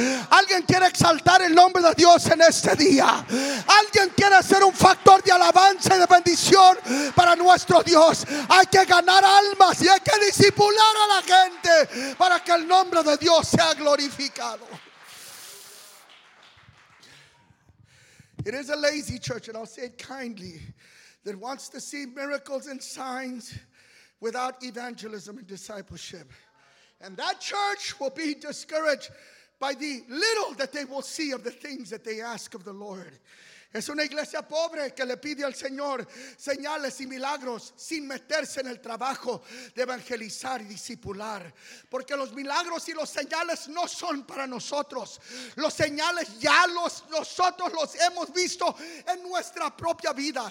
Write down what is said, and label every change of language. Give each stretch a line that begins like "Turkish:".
Spanish: Alguien quiere exaltar el nombre de Dios en este día. Alguien quiere ser un factor de alabanza y de bendición para nuestro Dios. Hay que ganar almas y hay que discipular a la gente para que el nombre de Dios sea glorificado.
English: It is a lazy church, and I'll say it kindly, that wants to see miracles and signs without evangelism and discipleship. And that church will be discouraged by the little that they will see of the things that they ask of the Lord.
Spanish: Es una iglesia pobre que le pide al Señor señales y milagros sin meterse en el trabajo de evangelizar y discipular. Porque los milagros y los señales no son para nosotros. Los señales ya nosotros los hemos visto en nuestra propia vida.